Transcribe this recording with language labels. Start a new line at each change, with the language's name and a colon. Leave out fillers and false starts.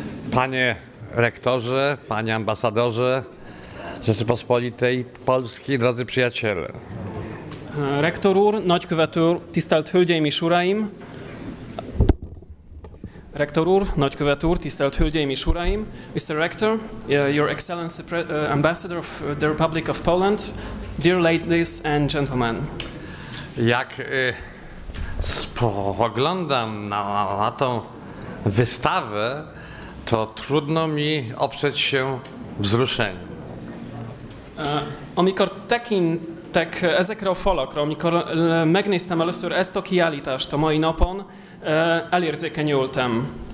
Polish: Panie rektorze, panie ambasadorze Rzeczypospolitej Polskiej, drodzy przyjaciele.
Hungarian: Rektorur, nagykövetur, tisztelt hölgyeim és uraim. Rektor úr, nagykövetúr, tisztelt hölgyeim és uraim, Mr.
English: Rector, Your Excellency, Ambassador of the Republic of Poland, dear ladies and gentlemen.
Polish: Jak spoglądam na tą wystawę, to trudno mi oprzeć się wzruszeniu.
Hungarian: Amikor tekintek ezekre a falakra, amikor megnéztem először ezt a kiállítást a mai napon, elérzékenyültem.